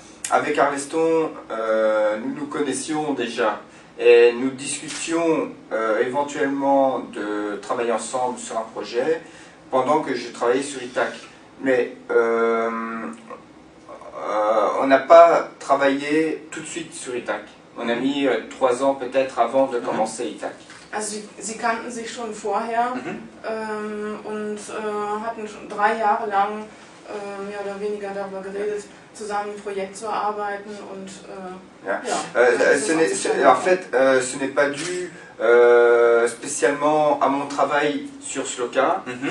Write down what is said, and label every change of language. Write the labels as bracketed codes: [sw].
[fr] Avec Arleston, nous nous connaissions déjà et nous discutions éventuellement de travailler ensemble sur un projet pendant que je travaillais sur Utak. Mais on n'a pas travaillé tout de suite sur Utak. On a mis 3 ans peut-être avant de commencer Utak. [de] Also sie kannten sich schon vorher und hatten schon 3 Jahre lang mehr oder weniger darüber geredet, zusammen ein Projekt zu arbeiten und [fr] ce n'est pas dû spécialement à mon travail sur Sloka.